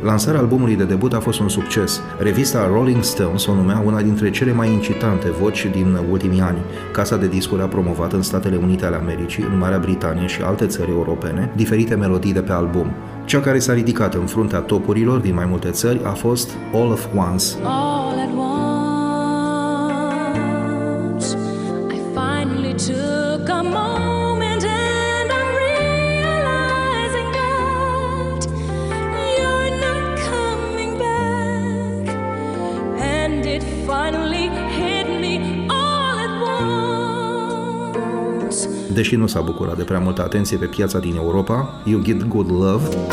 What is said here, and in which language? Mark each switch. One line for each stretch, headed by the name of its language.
Romanian: Lansarea albumului de debut a fost un succes. Revista Rolling Stones o numea una dintre cele mai incitante voci din ultimii ani. Casa de discuri a promovat în Statele Unite ale Americii, în Marea Britanie și alte țări europene, diferite melodii de pe album. Cea care s-a ridicat în fruntea topurilor din mai multe țări a fost All of Once.
English: All at once, I finally took a moment and I'm realizing that you're not coming back. And it finally hit me all at once.
Romanian: Deși nu s-a bucurat de prea multă atenție pe piața din Europa, You Get Good Love.